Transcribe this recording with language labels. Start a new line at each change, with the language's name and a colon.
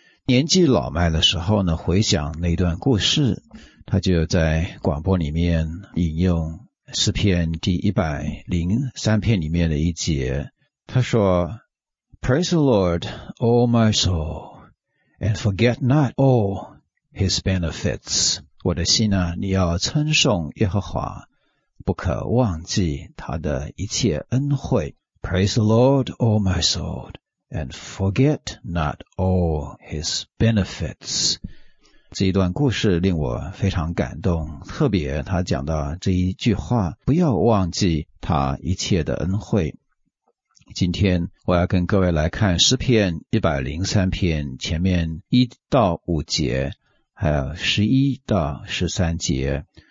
Chinese: 年纪老迈的时候呢，回想那段故事，他就在广播里面引用诗篇第103篇里面的一节，他说
English: Praise the Lord, O my soul, and forget not all his benefits.
Chinese: 我的心啊，你要称颂耶和华，不可忘记他的一切恩惠。
English: Praise the Lord, O my soul, and forget not all his benefits.
Chinese: 这一段故事令我非常感动，特别他讲到这一句话，不要忘记他一切的恩惠。今天我要跟各位来看诗篇103篇前面1-5节，还有11-13节。